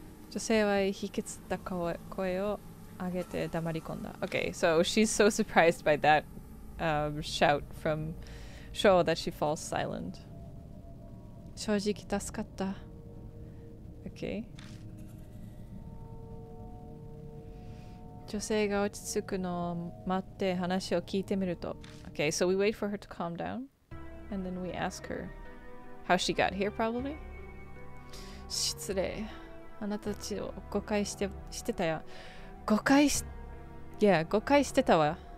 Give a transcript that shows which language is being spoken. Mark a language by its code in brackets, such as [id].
[ja] 女性は引きつった声を上げて黙り込んだ。 [en] Okay, so she's so surprised by that、shout from Sho that she falls silent. [ja] 正直助かった。 [en] Okay. [ja] 女性が落ち着くのを待って話を聞いてみると。 [en] Okay, so we wait for her to calm down, and then we ask her how she got here, probably? [ja] 失礼。あなたたちを誤解して、してたや。誤解し、いや、誤解してたわ。